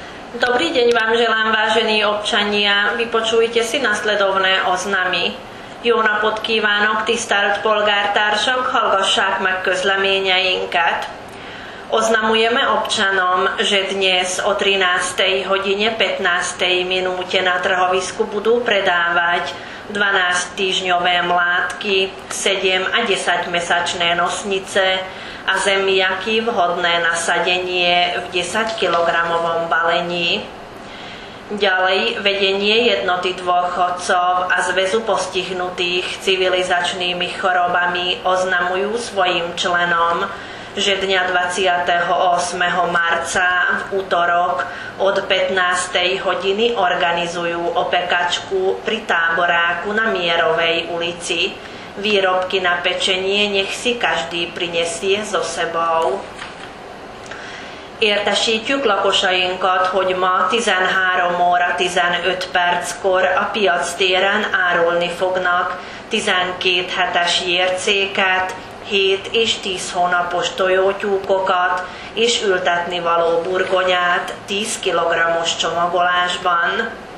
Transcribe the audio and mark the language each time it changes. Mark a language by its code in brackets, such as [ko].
[sk] Dobrý deň vám želám, vážení občania. Vypočujte si nasledovné oznamy. [hu] Jó napot kívánok, tisztelt polgártársak, hallgassák meg közleményeinket. [sk] Oznamujeme občanom, že dnes o 13. hodine 15. minúte na trhovisku budú predávať 12-týždňové mládky, 7 a 10-mesačné nosnice a zemiaky vhodné na sadenie v 10-kilogramovom balení. Ďalej vedenie jednoty dôchodcov a zväzu postihnutých civilizačnými chorobami oznamujú svojim členom, že dňa 28. marca v útorok od 15. hodiny organizujú opekačku pri táboráku na Mierovej ulici. Výrobky na pečenie nech si každý prinesie so sebou. [hu] Értesítjük lakosainkat, hogy ma 13 óra 15 perckor a piac téren árulni fognak 12 hetes jércéket, 7 és 10 hónapos tojótyúkokat és ültetni való burgonyát 10 kg-os csomagolásban.